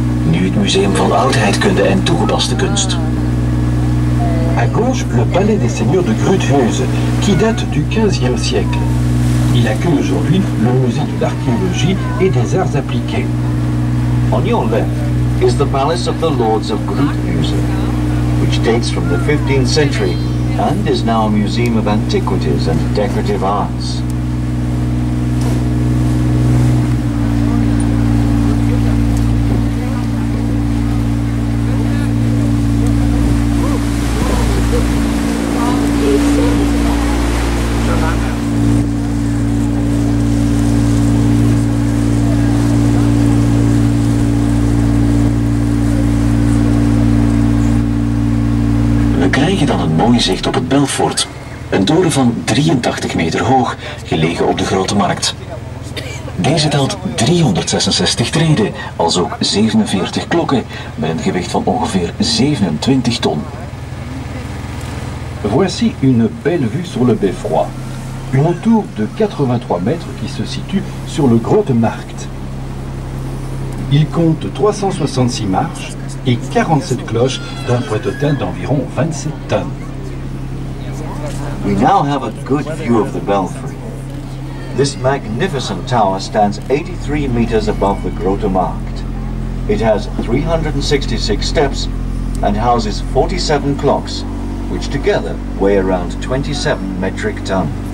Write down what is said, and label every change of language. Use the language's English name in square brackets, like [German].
[Dutch] Nu het Museum van Oudheidkunde en Toegepaste Kunst. [French] À gauche, le Palais des Seigneurs de Gruthuse, qui date du 15e siècle. Il accueille aujourd'hui le Musée de l'Archéologie et des Arts Appliqués. [English] On your left is the Palace of the Lords of Gruthuse, which dates from the 15th century and is now a Museum of Antiquities and Decorative Arts. [Dutch] Zicht op het Belfort, een toren van 83 meter hoog, gelegen op de Grote Markt. Deze telt 366 treden, alsook 47 klokken, met een gewicht van ongeveer 27 ton. [French] Voici une belle vue sur le Beffroi, une tour de 83 mètres qui se situe sur le Grote Markt. Il compte 366 marches et 47 cloches d'un poids total d'environ 27 tonnes. [English] We now have a good view of the belfry. This magnificent tower stands 83 meters above the Grote Markt. It has 366 steps and houses 47 clocks, which together weigh around 27 metric tons.